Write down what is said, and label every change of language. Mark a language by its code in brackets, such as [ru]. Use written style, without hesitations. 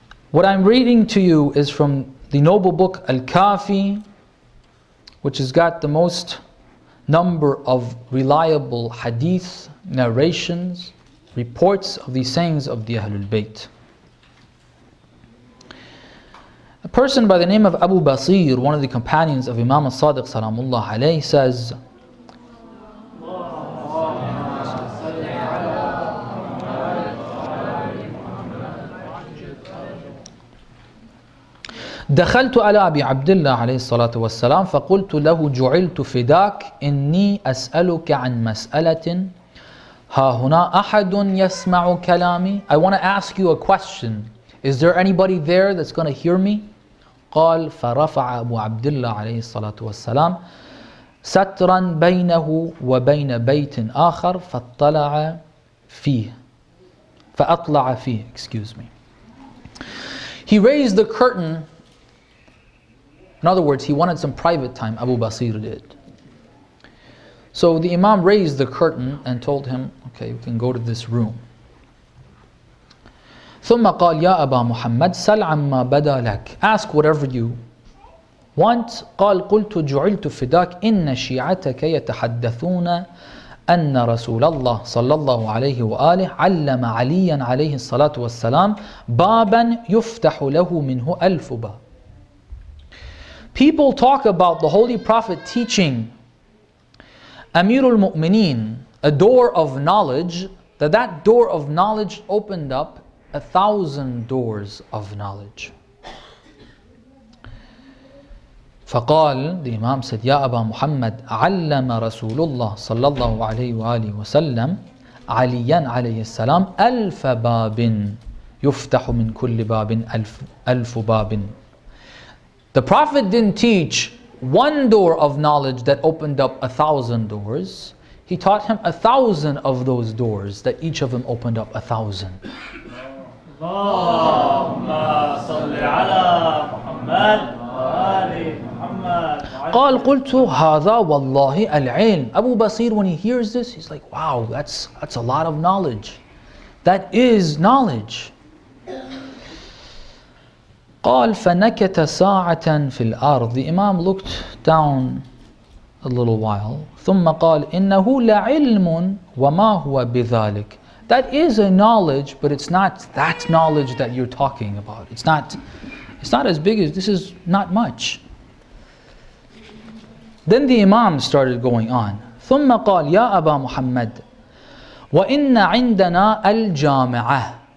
[en] What I'm reading to you is from the noble book Al-Kafi, which has got the most number of reliable hadith narrations, reports of the sayings of the Ahlul Bayt. A person by the name of Abu Basir, one of the companions of Imam al-Sadiq salamullah alayhi, says, [ar] دخلت على أبي عبد الله عليه الصلاة والسلام فقلت له جعلت فداك إني أسألك عن مسألة ها هنا أحد يسمع كلامي. [en] I want to ask you a question. Is there anybody there that's going to hear me? [ar] قال فرفع أبو عبد الله عليه الصلاة والسلام سترا بينه وبين بيت آخر فاطلع فيه فأطلع فيه. [en] Excuse me. He raised the curtain. In other words, he wanted some private time, Abu Basir did. So the Imam raised the curtain and told him, okay, we can go to this room. [ar] ثُمَّ قَالْ يَا أَبَا مُحَمَّدْ سَلْ عَمَّا بَدَى لَكْ. [en] Ask whatever you want. [ar] قَالْ قُلْتُ جُعِلْتُ فِدَاكْ إِنَّ شِيعَتَكَ يَتَحَدَّثُونَ أَنَّ رَسُولَ اللَّهِ صَلَّى اللَّهُ عَلَيْهِ وَآلِهِ عَلَّمَ عَلِيًّا عَلَيْهِ الصَّلَاةُ وَالسَّلَامِ بَابًا يُفْتَحُ لَهُ مِنْهُ أَلْفُ بَابٍ. [en] People talk about the Holy Prophet teaching Amirul Mu'mineen, a door of knowledge, that door of knowledge opened up 1,000 doors of knowledge. [ar] فقال, [en] the Imam said, Ya Aba Muhammad, [ar] عَلَّمَ رَسُولُ اللَّهِ صَلَّى اللَّهُ عَلَيْهِ وَآلِهِ وَسَلَّمْ عَلِيًّا عَلَيْهِ السَّلَامِ أَلْفَ بَابٍ يُفْتَحُ مِنْ كُلِّ بَابٍ أَلْفُ بَابٍ. [en] The Prophet didn't teach one door of knowledge that opened up 1,000 doors. He taught him 1,000 of those doors that each of them opened up 1,000. Allahumma salli ala Muhammad wa ali Muhammad. [ar] قال قلت هذا والله العلم. [en] Abu Basir, when he hears this, he's like, wow, that's a lot of knowledge. That is knowledge. [ar] قال فنكت ساعة في الأرض. [en] The Imam looked down a little while. [ar] ثم قال إنه لعلم وما هو بذلك. [en] That is a knowledge, but it's not that knowledge that you're talking about. It's not as big as this. Is not much. Then the Imam started going on. [ar] ثم قال يا أبا محمد وإن عندنا الجامعة.